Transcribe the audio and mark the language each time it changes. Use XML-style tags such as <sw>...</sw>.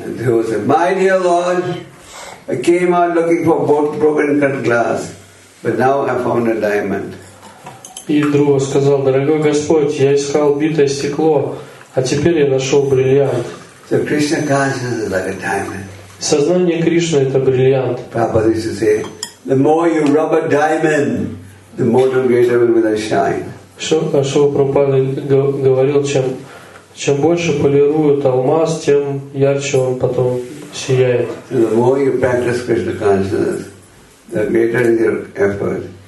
<en>Dhruva said, My dear Lord, I came out looking for broken cut glass, but now I found a diamond.</en> <ru>И Друва сказал, дорогой Господь, я искал битое стекло, а теперь я нашел бриллиант.</ru> <en>So Krishna consciousness is like a diamond.</en> <ru>Сознание Кришны — это бриллиант.</ru> <en>Prabhupada used to say, the more you rub a diamond, the more the greater will be the shine.</en> <ru>Шрила Прабхупада говорил, чем больше полируют алмаз, тем ярче он потом сияет.</ru> <en>So the more you practice Krishna consciousness, the greater is your effort.</en>